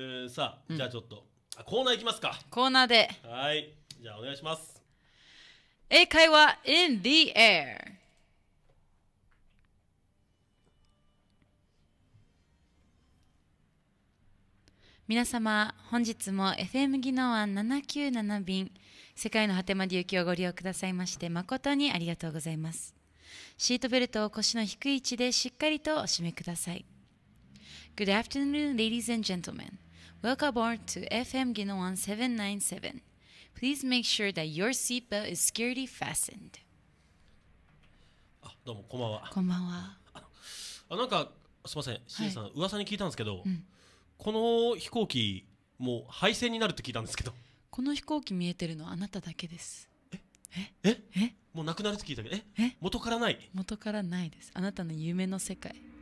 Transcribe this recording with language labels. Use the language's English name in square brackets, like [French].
[Japanese] さあ、うん、じゃあちょっとコーナーいきますか。コーナーで、はい、じゃあお願いします。英会話 in the air。皆様、本日も FM 宜野湾797便世界の果てまで行きをご利用くださいまして誠にありがとうございます。シートベルトを腰の低い位置でしっかりとお締めください。 [English] Good afternoon, ladies and gentlemen. Welcome aboard to FM Ginawan 797. Please make sure that your seatbelt is securely fastened. [Japanese] あ、どうもこんばんは。こんばんは。あ、なんかすみません、しんさん、はい、噂に聞いたんですけど、うん、この飛行機もう廃線になるって聞いたんですけど。この飛行機見えてるのはあなただけです。え？え？え？もうなくなるって聞いたけど、え？え？元からない。元からないです。あなたの夢の世界。